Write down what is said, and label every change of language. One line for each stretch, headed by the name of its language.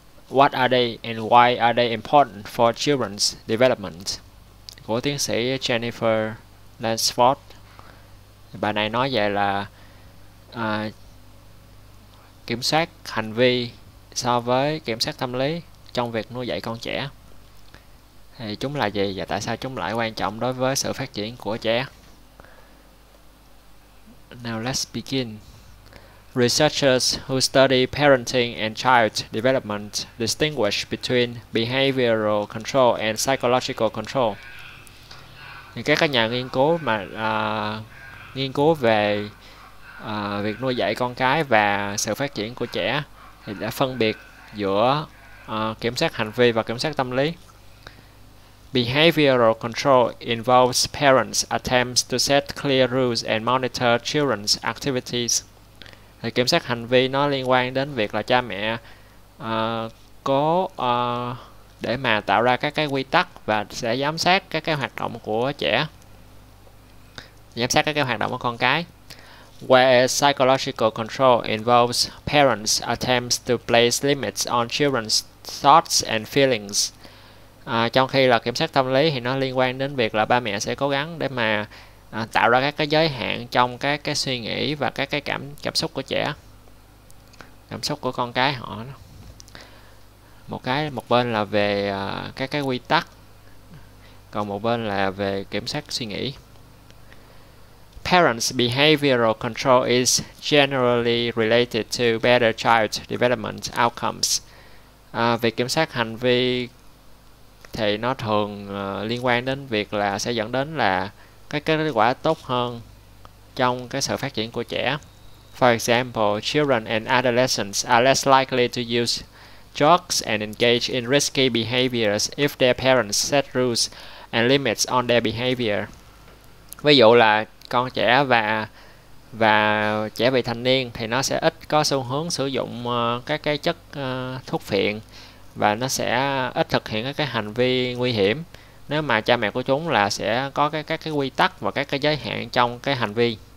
English: What are they and why are they important for children's development?
Vietnamese: Của tiến sĩ Jennifer Lansford. Bài này nói vậy là kiểm soát hành vi so với kiểm soát tâm lý trong việc nuôi dạy con trẻ. Thì chúng là gì và tại sao chúng lại quan trọng đối với sự phát triển của trẻ?
English: Now let's begin. Researchers who study parenting and child development distinguish between behavioral control and psychological control.
Vietnamese: Thì các nhà nghiên cứu mà nghiên cứu về việc nuôi dạy con cái và sự phát triển của trẻ thì đã phân biệt giữa kiểm soát hành vi và kiểm soát tâm lý.
English: Behavioral control involves parents' attempts to set clear rules and monitor children's activities.
Vietnamese: Thì kiểm soát hành vi nó liên quan đến việc là cha mẹ cố để mà tạo ra các cái quy tắc và sẽ giám sát các cái hoạt động của trẻ, giám sát các cái hoạt động của con cái.
English: Where psychological control involves parents' attempts to place limits on children's thoughts and feelings.
Vietnamese: Trong khi là kiểm soát tâm lý thì nó liên quan đến việc là ba mẹ sẽ cố gắng để mà tạo ra các cái giới hạn trong các cái suy nghĩ và các cái cảm cảm xúc của trẻ, cảm xúc của con cái họ. Một bên là về các cái quy tắc, còn một bên là về kiểm soát suy nghĩ.
English: Parents' behavioral control is generally related to better child development outcomes.
Vietnamese: Việc kiểm soát hành vi thì nó thường liên quan đến việc là sẽ dẫn đến là các kết quả tốt hơn trong cái sự phát triển của trẻ.
English: For example, children and adolescents are less likely to use drugs and engage in risky behaviors if their parents set rules and limits on their behavior.
Vietnamese: Ví dụ là con trẻ và trẻ vị thành niên thì nó sẽ ít có xu hướng sử dụng các cái chất thuốc phiện và nó sẽ ít thực hiện các cái hành vi nguy hiểm nếu mà cha mẹ của chúng là sẽ có các cái quy tắc và các cái giới hạn trong cái hành vi.